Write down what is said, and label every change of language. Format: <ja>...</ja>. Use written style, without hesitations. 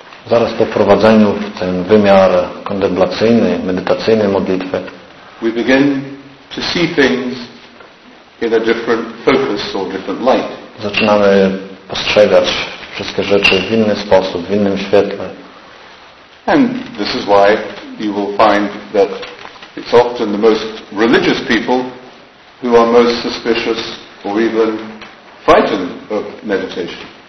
<pl>Zaraz po wprowadzeniu w ten wymiar kontemplacyjny, medytacyjny modlitwy.</pl> <en>We begin to see things in a different focus or different light.</en> <pl>Zaczynamy postrzegać wszystkie rzeczy w inny sposób, w innym świetle.</pl> <en>And this is why you will find that it's often the most religious people who are most suspicious or even frightened of meditation.</en>